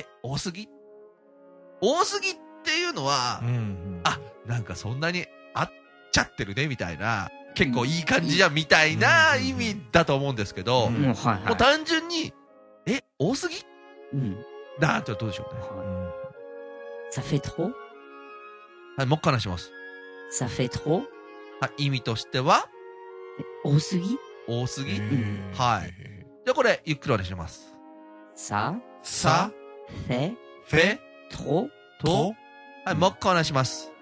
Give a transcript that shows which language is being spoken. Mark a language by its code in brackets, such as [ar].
[ja] 多すぎ？多すぎっていうのは、うんうん、あ、なんかそんなに合っちゃってるね、みたいな、結構いい感じじゃん、みたいな意味だと思うんですけど、うんうんうん、もう単純に、え、多すぎ、うん、だーってどうでしょうね、 [fr] はい、ça fait trop？ [ja] はい、もう一回話します。 [fr] ça fait trop？ [ja] はい、意味としては多すぎ、多すぎ、はい、じゃあこれゆっくりお願いします。 [fr] ça？ ça？ fait？ fait？ trop？ trop？ [ja] はい、もう一回お願いします。